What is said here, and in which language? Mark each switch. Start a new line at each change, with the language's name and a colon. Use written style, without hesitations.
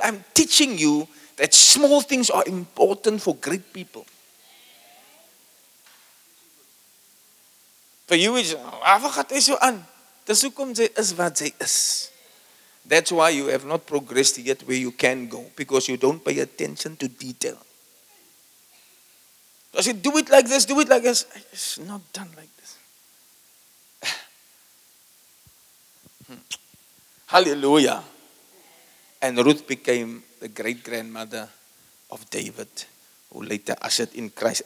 English: I'm teaching you that small things are important for great people. For you, it's,
Afrikaans: waarvoor gaat hy so aan? Dis hoekom jy is wat jy is.
English: That's why you have not progressed yet where you can go. Because you don't pay attention to detail. I said, do it like this, do it like this. It's not done like this. Hallelujah. And Ruth became the great-grandmother of David, who later ushered in Christ.